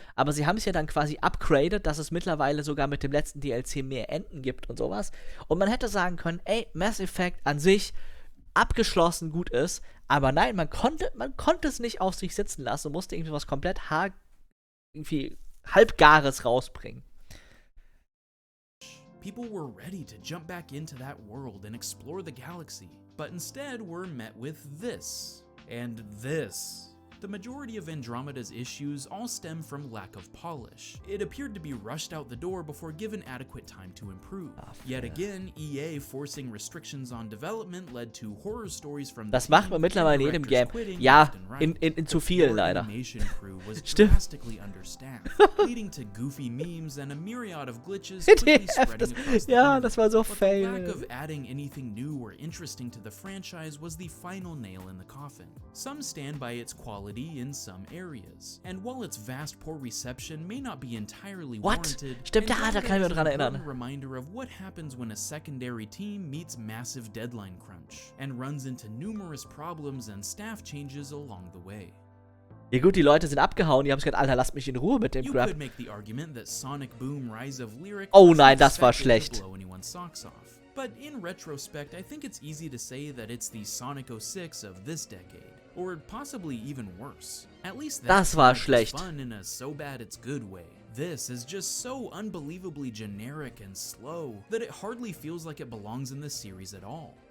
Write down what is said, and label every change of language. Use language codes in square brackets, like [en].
[de] Aber sie haben es ja dann quasi upgraded, dass es mittlerweile sogar mit dem letzten DLC mehr Enden gibt und sowas. Und man hätte sagen können, ey, Mass Effect an sich abgeschlossen gut ist, aber nein, man konnte es nicht auf sich sitzen lassen und musste irgendwie was komplett irgendwie halbgares rausbringen. [en] People were ready to jump back into that world and explore the galaxy, but instead were met with this and this. The majority of Andromeda's issues all stem from lack of polish. It appeared to be rushed out the door before given adequate time to improve. Yet again, EA forcing restrictions on development led to horror stories from the team. [de] Das macht man mittlerweile in jedem Game. Ja, in zu viel leider. [en] Animation crew was drastically understaffed, leading to goofy memes and a myriad of glitches quickly spreading across the world. [de] Ja, das war so fail. [en] The lack of adding anything new or interesting to the franchise was the final nail in the coffin. Some stand by its quality in some areas. And while its vast poor reception may not be entirely warranted, [de] stimmt, ja, da kann ich mich dran erinnern. [en] A reminder of what happens when a secondary team meets massive deadline crunch and runs into numerous problems and staff changes along the way. [de] Ja gut, die Leute sind abgehauen, die haben gesagt, Alter, lass mich in Ruhe mit dem Grab. [en] You could make the argument that Sonic Boom Rise of Lyric. [de] Oh nein, das war schlecht. [en] But in retrospect, I think it's easy to say that it's the Sonic 06 of this decade. Or possibly even worse. At least that's [de] was schlecht. [en] Fun in a so bad it's good way. This is just so unbelievably generic and slow that it hardly feels like it belongs in the series at all.